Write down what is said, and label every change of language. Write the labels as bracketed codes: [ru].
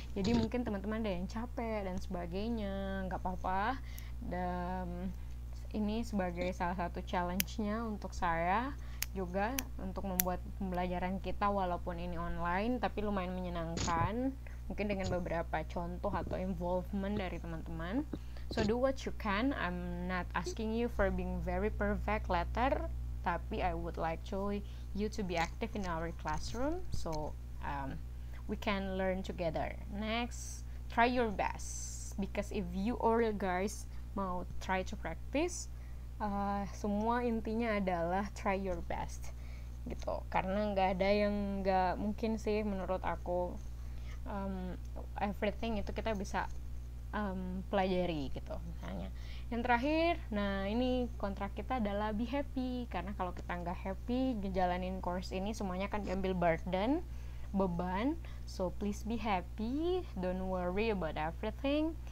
[id] Jadi mungkin teman-teman ada yang capek dan sebagainya, nggak apa-apa, dan ini sebagai salah satu challenge-nya untuk saya juga untuk membuat pembelajaran kita, walaupun ini online tapi lumayan menyenangkan mungkin dengan beberapa contoh atau involvement dari teman-teman. [en] So do what you can, I'm not asking you for being very perfect later, tapi I would like actually you to be active in our classroom, so we can learn together. Next, try your best, because if you all guys mau try to practice, [id] semua intinya adalah [en] try your best gitu, [id] karena nggak ada yang nggak mungkin sih menurut aku. Everything itu kita bisa pelajari gitu. Misalnya yang terakhir, nah ini kontrak kita adalah [en] be happy, [id] karena kalau kita nggak happy ngejalanin course ini semuanya kan diambil burden, beban. [en] So please be happy, don't worry about everything.